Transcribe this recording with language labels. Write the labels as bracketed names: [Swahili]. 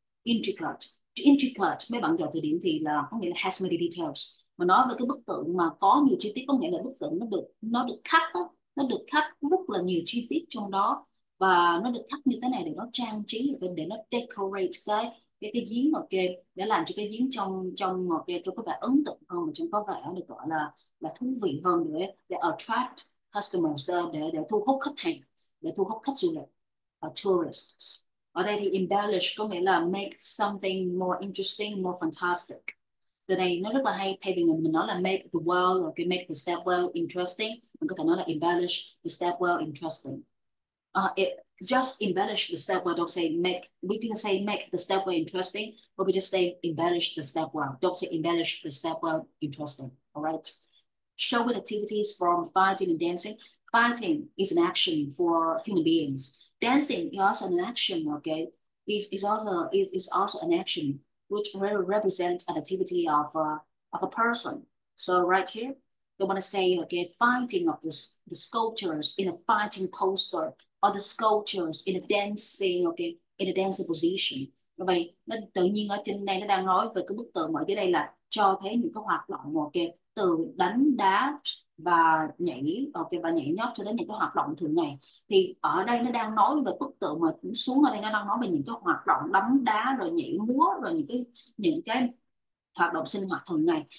[Vietnamese] Intricate, mấy bạn dò từ điển thì là có nghĩa là has many details, mà nói về cái bức tượng mà có nhiều chi tiết có nghĩa là bức tượng nó được khắc rất là nhiều chi tiết trong đó, và nó được khắc như thế này để nó trang trí, để nó decorate cái giếng, ok, để làm cho cái giếng trong trong ok cho có vẻ ấn tượng hơn, mà trông có vẻ được gọi là thú vị hơn, để attract customers, để thu hút khách hàng, để thu hút khách du lịch, tourists. Ở đây thì embellish có nghĩa là make something more interesting, more fantastic. Từ này nó rất là hay, thay vì mình nói là make the world, ok, make the stairwell interesting, mình có thể nói là embellish the stairwell interesting. [English] Just embellish the stairwell, don't say make. We can say make the stairwell interesting, but we just say embellish the stairwell. Don't say embellish the stairwell interesting. Alright. Show with activities from fighting and dancing. Fighting is an action for human beings. Dancing is also an action, okay? It's also an action which represents an activity of a person. So right here, they want to say, okay, fighting of the sculptures in a fighting poster, or the sculptures in a dancing, okay, in a dancing position. [Vietnamese] Vậy nó tự nhiên ở trên đây nó đang nói về cái bức tượng ở dưới đây là cho thấy những cái hoạt động, ok, từ đánh đá và nhảy, ok, và nhảy nhót cho đến những cái hoạt động thường ngày. Thì ở đây nó đang nói về bức tượng mà xuống ở đây nó đang nói về những cái hoạt động đánh đá rồi nhảy múa rồi những cái hoạt động sinh hoạt thường ngày.